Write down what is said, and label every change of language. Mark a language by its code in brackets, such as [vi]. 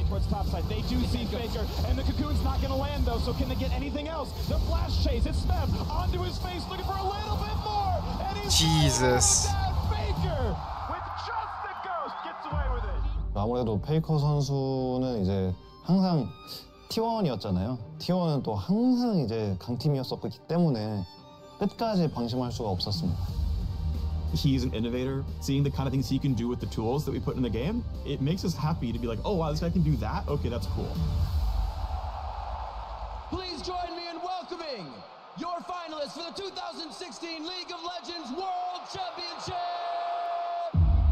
[en] Topside. They do see Faker, and the cocoon's not gonna land though, so can they get anything else? The flash chase, it's Smev onto his face, looking for a little bit more, and he's Jesus. Faker with just the ghost gets away with it. [ko] 아무래도 페이커 선수는 이제 항상 T1이었잖아요. T1은 또 항상 이제 강팀이었었기 때문에 끝까지 방심할 수가 없었습니다. [en] He's an innovator. Seeing the kind of things he can do with the tools that we put in the game, it makes us happy to be like, oh wow, this guy can do that? Okay, that's cool. Please join me in welcoming your finalists for the 2016 League of Legends World Championship!